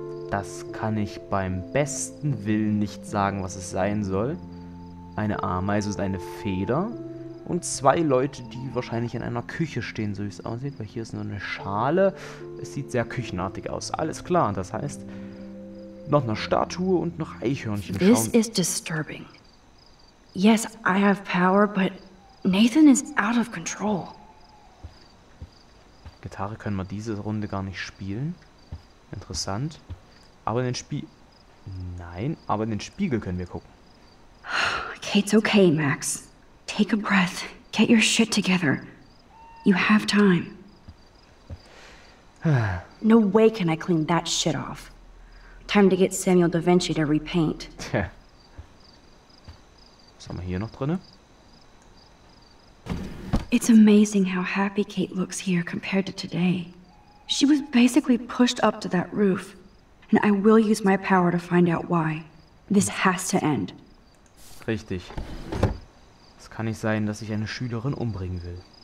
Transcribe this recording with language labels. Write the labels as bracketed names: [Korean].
[German] Das kann ich beim besten Willen nicht sagen, was es sein soll. Eine Ameise ist eine Feder. Und zwei Leute, die wahrscheinlich in einer Küche stehen, so wie es aussieht. Weil hier ist nur eine Schale. Es sieht sehr küchenartig aus. Alles klar. Das heißt, noch eine Statue und noch Eichhörnchen. [English] This schauen. Is disturbing. Yes, I have power, but Nathan is out of control. [German] Gitarre können wir diese Runde gar nicht spielen. Interessant. Aber in den Spiegel. Nein, aber in den Spiegel können wir gucken. [English] Kate's okay, Max. Take a breath. Get your shit together. You have time. No way can I clean that shit off. Time to get Samuel da Vinci to repaint. [German] Tja. Was haben wir hier noch drinne? [English] It's amazing how happy Kate looks here compared to today. She was basically pushed up to that roof. And I will use my power to find out why. This has to end. [German] Richtig. Es kann nicht sein, dass ich eine Schülerin umbringen will.